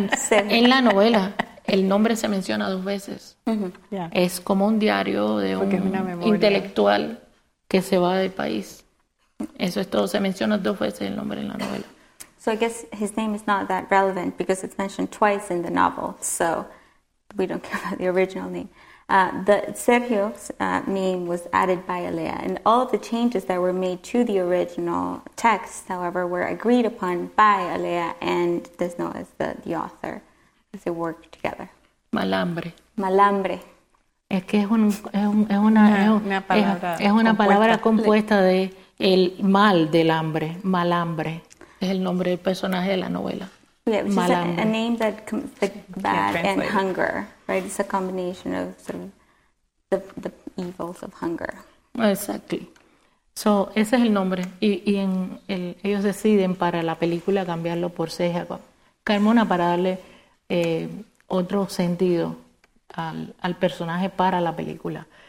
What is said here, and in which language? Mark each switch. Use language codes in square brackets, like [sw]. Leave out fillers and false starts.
[es] En la novela, el nombre se menciona dos veces. [en] Mm-hmm. Yeah. [es] Es como un diario de porque un intelectual que se va del país. Eso es todo. Se menciona dos veces el nombre en la novela. [en] So I guess his name is not that relevant because it's mentioned twice in the novel. So we don't care about the original name. The Sergio's name was added by Alea, and all of the changes that were made to the original text, however, were agreed upon by Alea and Desnoyers, the author, as they worked together. [es] Malambre. Es que es una palabra compuesta de el mal del hambre. Malambre es el nombre del personaje de la novela. [en] Yeah, which is a name that comes like bad and hunger, right? It's a combination of sort of the evils of hunger. Exactly. So, [es] ese es el nombre. Y en el, ellos deciden para la película cambiarlo por Sergio Carmona para darle otro sentido al personaje para la película.